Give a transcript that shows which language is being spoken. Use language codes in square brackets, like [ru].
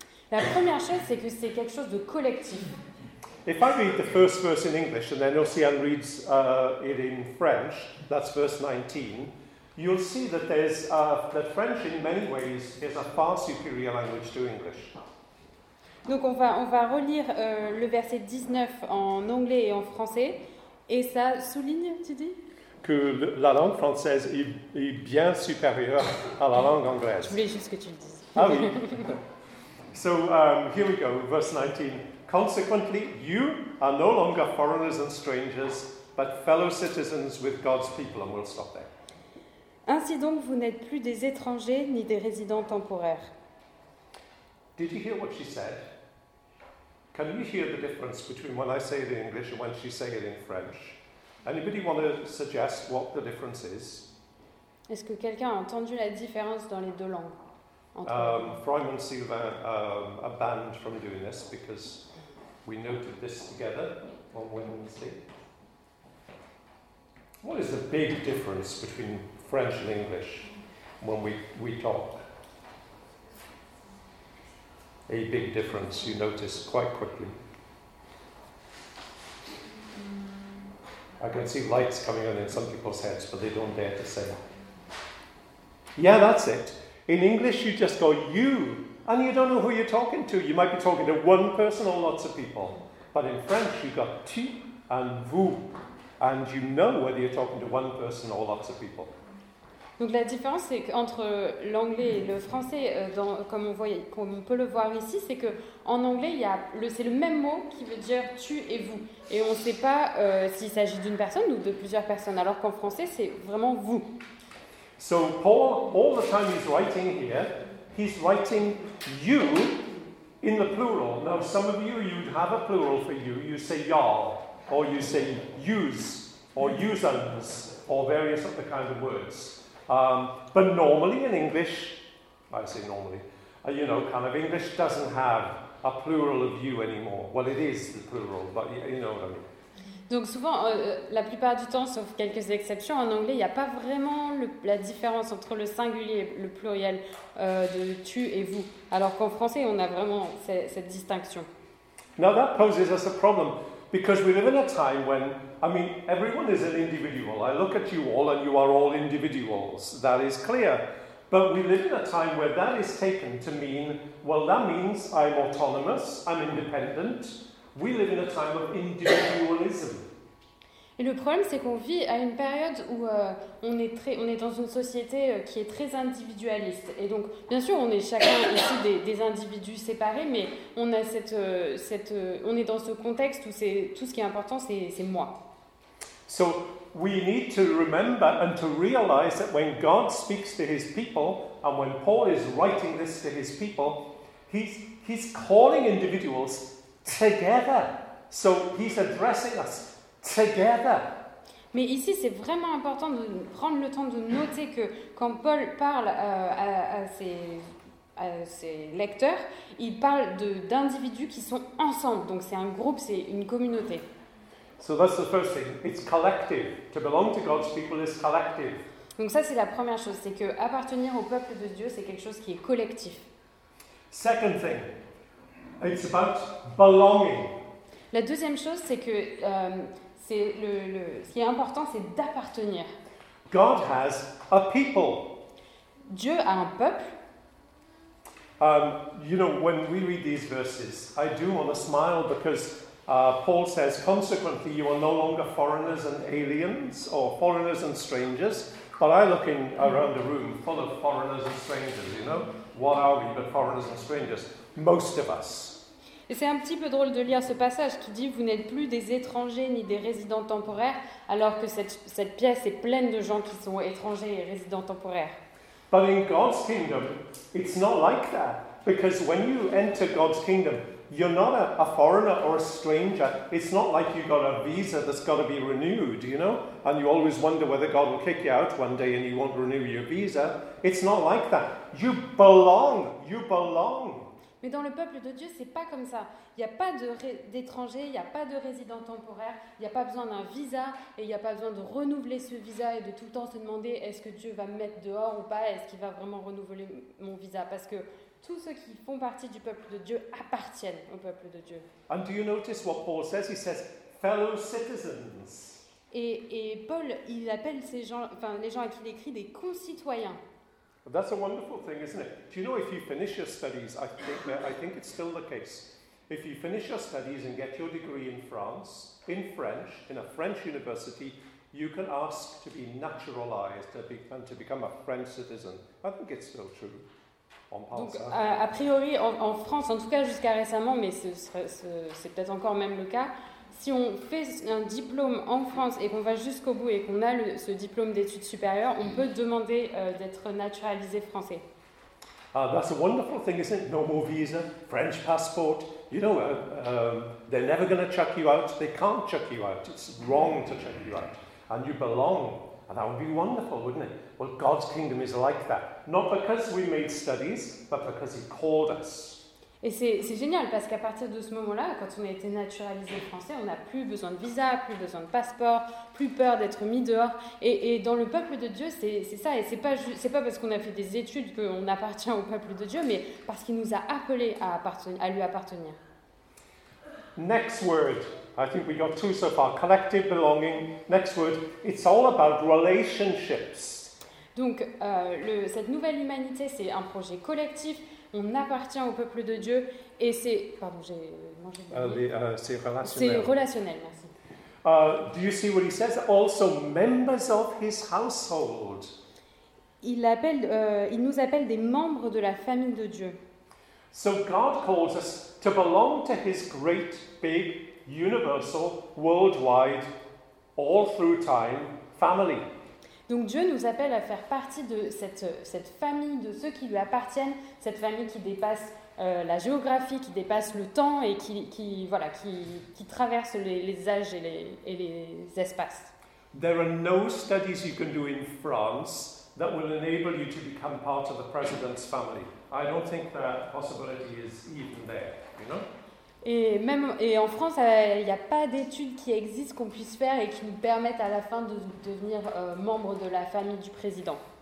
[fr] La première chose, c'est que c'est quelque chose de collectif. [en] If I read the first verse in English and then Océane reads it in French, that's verse 19, you'll see that that French in many ways is a far superior language to English. [fr] Donc on va relire le verset 19 en anglais et en français, et ça souligne, tu dis? Que la langue française est bien supérieure à la langue anglaise. Je voulais juste que tu le dises. Ah oui. [en] So here we go, verse 19. Consequently, you are no longer foreigners and strangers, but fellow citizens with God's people. And we'll stop there. [fr] Ainsi donc, vous n'êtes plus des étrangers ni des résidents temporaires. [en] Did you hear what she said? Can you hear the difference between when I say it in English and when she say it in French? Anybody want to suggest what the difference is? [fr] Est-ce que quelqu'un a entendu la différence dans les deux langues? [en] Freiman and Sylvain are banned from doing this because we noted this together on Wednesday. What is the big difference between French and English when we talk? A big difference you notice quite quickly. I can see lights coming on in some people's heads, but they don't dare to say. Yeah, that's it. In English, you just go, you, and you don't know who you're talking to. You might be talking to one person or lots of people. But in French, you got tu and vous, and you know whether you're talking to one person or lots of people. [fr] Donc la différence c'est entre l'anglais et le français, comme on peut le voir ici, c'est qu'en anglais, c'est le même mot qui veut dire « tu » et « vous ». Et on ne sait pas s'il s'agit d'une personne ou de plusieurs personnes, alors qu'en français, c'est vraiment « vous ». [en] So Paul, all the time he's writing here, he's writing « you » in the plural. Now some of you, you'd have a plural for you. You say « y'all » or you say « yous » or « yousums » or various other kinds of words. But normally in English, I say normally, you know, kind of English doesn't have a plural of you anymore. Well, it is the plural, but you know what I mean. [fr] Donc souvent, la plupart du temps, sauf quelques exceptions, en anglais, il n'y a pas vraiment la différence entre le singulier et le pluriel de tu et vous. Alors qu'en français, on a vraiment cette distinction. [en] Now that poses us a problem. Because we live in a time when, I mean, everyone is an individual. I look at you all and you are all individuals. That is clear. But we live in a time where that is taken to mean, well, that means I'm autonomous, I'm independent. We live in a time of individualism. [fr] Et le problème, c'est qu'on vit à une période où on est dans une société qui est très individualiste. Et donc, bien sûr, on est chacun ici des individus séparés, mais on a on est dans ce contexte où c'est tout ce qui est important, c'est moi. [en] So we need to remember and to realize that when God speaks to His people and when Paul is writing this to His people, he's calling individuals together. So he's addressing us. Together. [fr] Mais ici, c'est vraiment important de prendre le temps de noter que quand Paul parle à ses lecteurs, il parle d'individus qui sont ensemble. Donc c'est un groupe, c'est une communauté. [en] So that's the first thing. It's collective. To belong to God's people is collective. [fr] Donc ça, c'est la première chose. C'est qu'appartenir au peuple de Dieu, c'est quelque chose qui est collectif. [en] Second thing. It's about belonging. [fr] La deuxième chose, c'est que ce qui est important, c'est d'appartenir. [en] God has a people. [fr] Dieu a un peuple. [en] You know, when we read these verses, I do want to smile because Paul says, consequently, you are no longer foreigners and aliens, or foreigners and strangers. But I look in around the room full of foreigners and strangers, you know. What are we but foreigners and strangers? Most of us. [fr] Et c'est un petit peu drôle de lire ce passage qui dit « Vous n'êtes plus des étrangers ni des résidents temporaires » alors que cette pièce est pleine de gens qui sont étrangers et résidents temporaires. [en] But in God's kingdom, it's not like that. Because when you enter God's kingdom, you're not a foreigner or a stranger. It's not like you got a visa that's got to be renewed, you know? And you always wonder whether God will kick you out one day and he won't renew your visa. It's not like that. You belong. You belong. [fr] Mais dans le peuple de Dieu, ce n'est pas comme ça. Il n'y a pas d'étranger, il n'y a pas de résident temporaire, il n'y a pas besoin d'un visa, et il n'y a pas besoin de renouveler ce visa et de tout le temps se demander est-ce que Dieu va me mettre dehors ou pas, est-ce qu'il va vraiment renouveler mon visa. Parce que tous ceux qui font partie du peuple de Dieu appartiennent au peuple de Dieu. [en] And do you notice what Paul says? He says, fellow citizens. [fr] Et Paul, il appelle ces gens, enfin, les gens à qui il écrit des concitoyens. [en] That's a wonderful thing, isn't it? Do you know, if you finish your studies, I think it's still the case, if you finish your studies and get your degree in France, in French, in a French university, you can ask to be naturalized and to become a French citizen. I think it's still true. [fr] Donc, a priori, en France, en tout cas jusqu'à récemment, mais c'est peut-être encore même le cas, si on fait un diplôme en France et qu'on va jusqu'au bout et qu'on a ce diplôme d'études supérieures, on peut demander d'être naturalisé français. [en] That's a wonderful thing, isn't it? No more visa, French passport. You know, they're never going to chuck you out. They can't chuck you out. It's wrong to chuck you out. And you belong. And that would be wonderful, wouldn't it? Well, God's kingdom is like that. Not because we made studies, but because he called us. [fr] Et c'est génial parce qu'à partir de ce moment-là, quand on a été naturalisé français, on n'a plus besoin de visa, plus besoin de passeport, plus peur d'être mis dehors. Et dans le peuple de Dieu, c'est ça. Et c'est pas parce qu'on a fait des études qu'on appartient au peuple de Dieu, mais parce qu'il nous a appelés à lui appartenir. [en] Next word. I think we got two so far. Collective belonging. Next word. It's all about relationships. [fr] Donc, cette nouvelle humanité, c'est un projet collectif. On appartient au peuple de Dieu et c'est... Pardon, j'ai mangé... C'est relationnel. C'est relationnel, merci. [en] Do you see what he says? Also members of his household. [fr] il nous appelle des membres de la famille de Dieu. [en] So God calls us to belong to his great, big, universal, worldwide, all through time family. [fr] Donc Dieu nous appelle à faire partie de cette famille, de ceux qui lui appartiennent, cette famille qui dépasse la géographie, qui dépasse le temps et qui traverse les âges et les espaces. [en] There are no studies you can do in France that will enable you to become part of the president's family. I don't think that possibility is even there, you know? [fr] Et en France, il n'y a pas d'études qui existent qu'on puisse faire et qui nous permettent à la fin de devenir membre de la famille du président.